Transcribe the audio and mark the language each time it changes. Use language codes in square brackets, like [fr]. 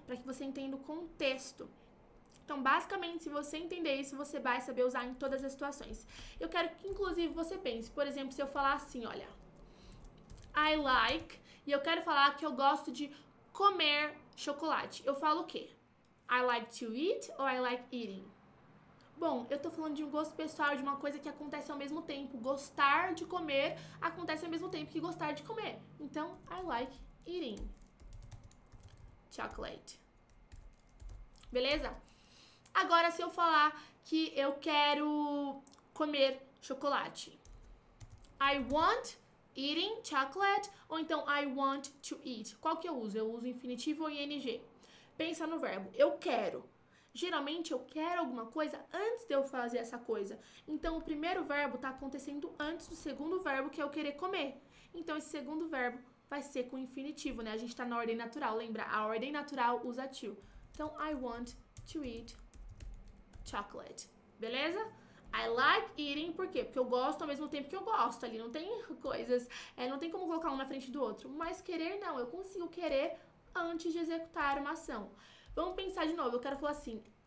[pt] Para que você entenda o contexto. Então, basicamente, se você entender isso, você vai saber usar em todas as situações. Eu quero que, inclusive, você pense. Por exemplo, se eu falar assim, olha. [en] I like. [pt] E eu quero falar que eu gosto de comer chocolate. Eu falo o quê? [en] I like to eat [pt] ou [en] I like eating? [pt] Bom, eu tô falando de um gosto pessoal, de uma coisa que acontece ao mesmo tempo. Gostar de comer acontece ao mesmo tempo que gostar de comer. [en] Então, I like eating chocolate. [pt] Beleza? Agora, se eu falar que eu quero comer chocolate. [en] I want eating chocolate [pt] ou então [en] I want to eat. [pt] Qual que eu uso? Eu uso infinitivo ou ing. Pensa no verbo. Eu quero. Geralmente, eu quero alguma coisa antes de eu fazer essa coisa. Então, o primeiro verbo está acontecendo antes do segundo verbo, que é eu querer comer. Então, esse segundo verbo vai ser com infinitivo, né? A gente está na ordem natural. Lembra? A ordem natural usa to. [en] Então, I want to eat chocolate. [pt] Beleza? [en] I like eating. [pt] Por quê? Porque eu gosto ao mesmo tempo que eu gosto ali. Não tem coisas... não tem como colocar um na frente do outro. Mas querer, não. Eu consigo querer antes de executar uma ação. Vamos pensar de novo. Eu quero falar assim.